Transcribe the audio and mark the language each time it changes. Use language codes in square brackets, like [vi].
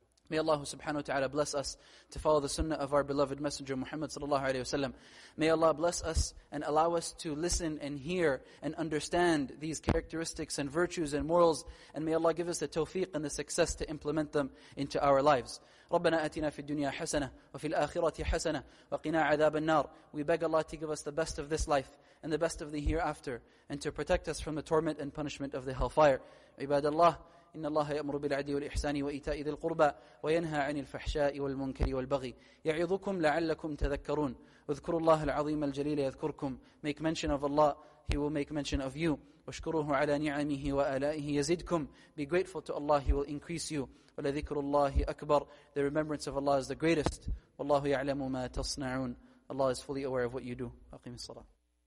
[en] May Allah subhanahu wa ta'ala bless us to follow the sunnah of our beloved messenger Muhammad sallallahu alayhi wa sallam. May Allah bless us and allow us to listen and hear and understand these characteristics and virtues and morals. And may Allah give us the tawfiq and the success to implement them into our lives. [ar] ربنا آتنا في الدنيا حسنة وفي الآخرة حسنة وقنا عذاب النار. [en] We beg Allah to give us the best of this life and the best of the hereafter and to protect us from the torment and punishment of the hellfire. [ar] عباد الله. إن الله يأمر بالعدل والإحسان وإيتاء ذي القربى وينهى عن الفحشاء والمنكر والبغي يعظكم لعلكم تذكرون اذكروا الله العظيم الجليل يذكركم. [en] Make mention of Allah, He will make mention of you. [ar] واشكروه على نعمه وآلائه يزدكم. [en] Be grateful to Allah, He will increase you. [ar] ولذكر الله أكبر. [en] The remembrance of Allah is the greatest. [ar] والله يعلم ما تصنعون. [en] Allah is fully aware of what you do. [ar] أقيم الصلاة.